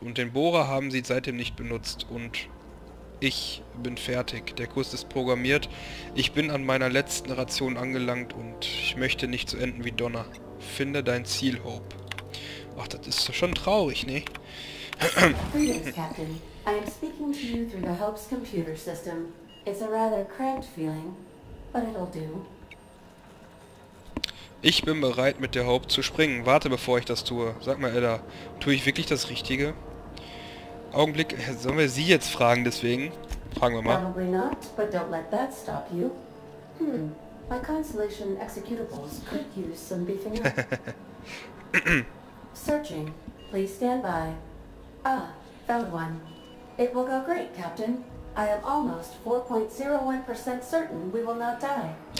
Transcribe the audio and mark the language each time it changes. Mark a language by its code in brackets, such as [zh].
[de] Und den Bohrer haben sie seitdem nicht benutzt. Und ich bin fertig. Der Kurs ist programmiert. Ich bin an meiner letzten Ration angelangt und ich möchte nicht so enden wie Donner. Finde dein Ziel, Hope. Ach, das ist schon traurig, ne? [en] Greetings, Captain. I am speaking to you through the Hope's computer system. It's a rather cramped feeling, but it'll do. [de] Ich bin bereit, mit der Hope zu springen. Warte, bevor ich das tue. Sag mal, Ella, tue ich wirklich das Richtige? Augenblick, sollen wir sie jetzt fragen deswegen? Fragen wir mal. [en] Probably not, but don't let that stop you. My Constellation executables could use some beefing up. Searching. Please stand by. Ah, found one. It will go great, Captain. I am almost 4.01% certain we will not die.